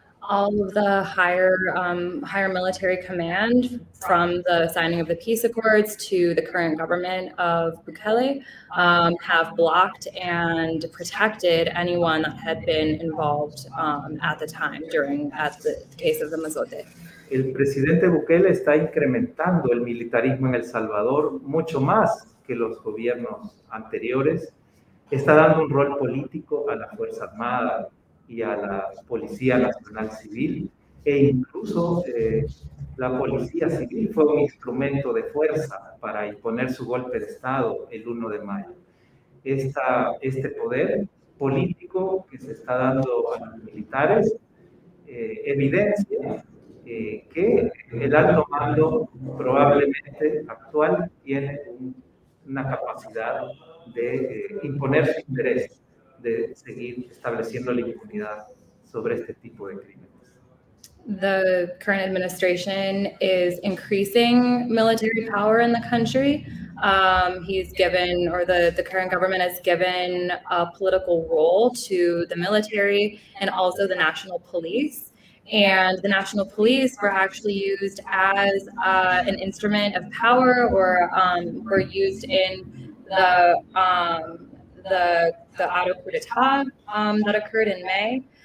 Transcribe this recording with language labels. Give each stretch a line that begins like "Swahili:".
English: All of the higher military command, from the signing of the peace accords to the current government of Bukele, have blocked and protected anyone that had been involved at the time at the case of the Mozote.
Spanish: El presidente Bukele está incrementando el militarismo en El Salvador mucho más que los gobiernos anteriores. Está dando un rol político a la Fuerza Armada y a la Policía Nacional Civil, e incluso la Policía Civil fue un instrumento de fuerza para imponer su golpe de Estado el 1 de mayo. Este poder político que se está dando a los militares evidencia que el alto mando probablemente actual tiene una capacidad de imponer su interés de seguir estableciendo la impunidad sobre este tipo de crímenes.
English: The current administration is increasing military power in the country. He's given, or the current government has given, a political role to the military and also the national police. And the national police were actually used as an instrument of power, or were used in the auto coup d'etat that occurred in May.